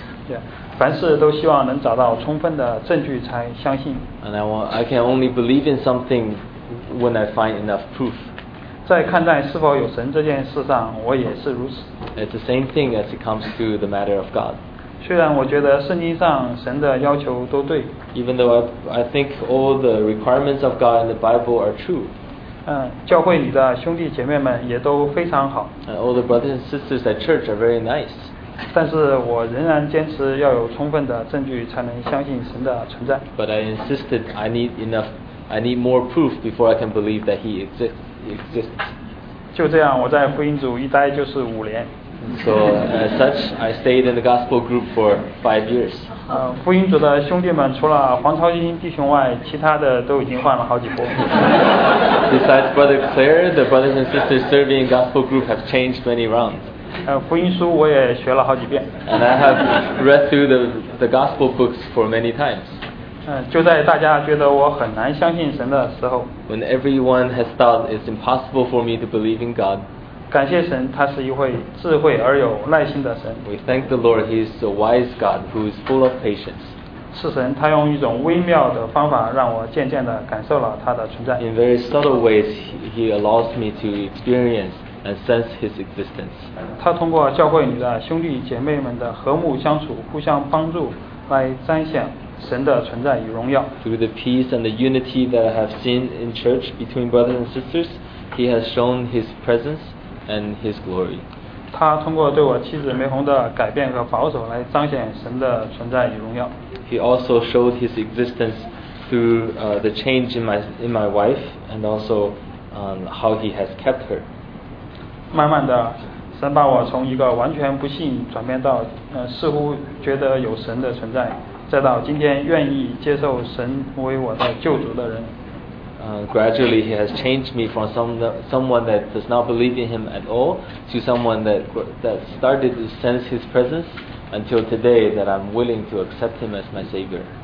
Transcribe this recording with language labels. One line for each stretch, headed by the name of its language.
English: Yeah,
Chinese: 凡事都希望能找到充分的证据才相信。
English: And I can only believe in something when I find enough proof.
Chinese: 在看待是否有神这件事上，我也是如此。
English: It's the same thing as it comes to the matter of God.
Chinese: 虽然我觉得圣经上神的要求都对。
English: Even though I think all the requirements of God in the Bible are true.
Chinese: 教会里的兄弟姐妹们也都非常好。
English: All the brothers and sisters at church are very nice.
Chinese: 但是我仍然坚持要有充分的证据才能相信神的存在。
English: But I insisted I need more proof before I can believe that he exists.
Chinese: 就这样，我在福音组一待就是五年。
English: So as such, I stayed in the gospel group for 5 years.
Chinese: 福音组的兄弟们除了黄超英弟兄外，其他的都已经换了好几波。
English: Besides Brother Claire, the brothers and sisters serving in gospel group have changed many rounds.
Chinese: 福音书我也学了好几遍。
English: And I have read through the gospel books for many times.
Chinese: 就在大家觉得我很难相信神的时候。
English: When everyone has thought it's impossible for me to believe in God.
Chinese: 感谢神，他是一位智慧而有耐心的神。
English: We thank the Lord, He is a wise God who is full of patience.
Chinese: 是神，他用一种微妙的方法让我渐渐地感受了他的存在。
English: In very subtle ways, He allows me to experience and sense His existence.
Chinese: 他通过教会里的兄弟姐妹们的和睦相处、互相帮助，来彰显神的存在与荣耀。
English: Through the peace and the unity that I have seen in church between brothers and sisters, He has shown His presence.And his glory.
Chinese: 他通过对我妻子梅红的改变和保守来彰显神的存在与荣耀。
English: He also showed his existence through the change in my wife and also how he has kept her.
Chinese: 慢慢的，神把我从一个完全不信转变到似乎觉得有神的存在，再到今天愿意接受神为我的救主的人。
English: Gradually he has changed me from someone that does not believe in him at all to someone that started to sense his presence until today that I'm willing to accept him as my savior.